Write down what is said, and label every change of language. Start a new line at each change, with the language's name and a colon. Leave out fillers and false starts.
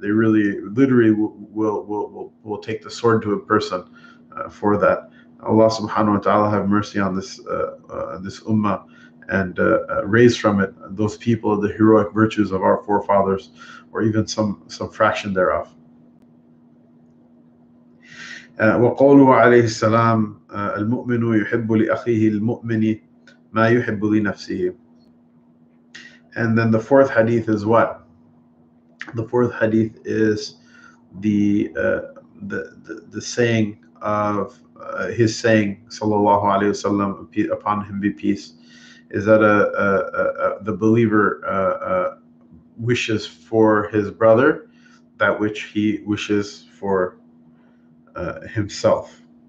English: They really literally will take the sword to a person for that. Allah subhanahu wa ta'ala have mercy on this ummah, and raise from it those people of the heroic virtues of our forefathers, or even some fraction thereof.
Arabic: وقوله عليه السلام المؤمن يحب لأخيه المؤمن ما يحب لنفسه.
English: And then the fourth hadith is what? The fourth hadith is the saying of his saying sallallahu alaihi wasallam, upon him be peace, is that the believer wishes for his brother that which he wishes for himself.